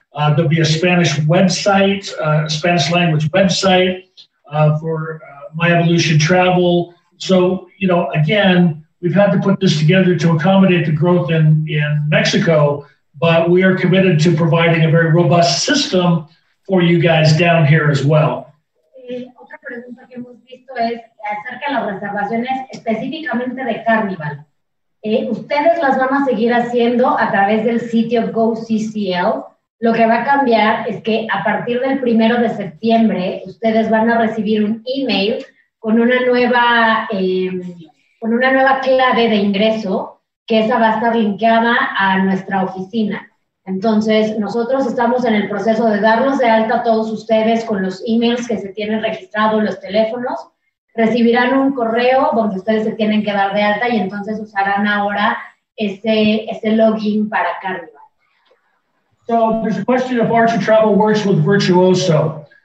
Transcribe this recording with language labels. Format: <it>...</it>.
<en>There'll be a Spanish website, Spanish language website for My Evolution Travel. So, you know, again, we've had to put this together to accommodate the growth in Mexico, but we are committed to providing a very robust system for you guys down here as well.</en> <es>Otra pregunta que hemos visto es acerca de las reservaciones específicamente de Carnival. Ustedes las van a seguir haciendo a través del sitio GoCCL. Lo que va a cambiar es que a partir del 1 de septiembre, ustedes van a recibir un email con una nueva clave de ingreso, que esa va a estar linkeada a nuestra oficina. Entonces, nosotros estamos en el proceso de darlos de alta a todos ustedes con los emails que se tienen registrados, los teléfonos. Recibirán un correo donde ustedes se tienen que dar de alta y entonces usarán ahora ese login para Carnival.</es> <en>So there's a question if Archer Travel works with Virtuoso.</en>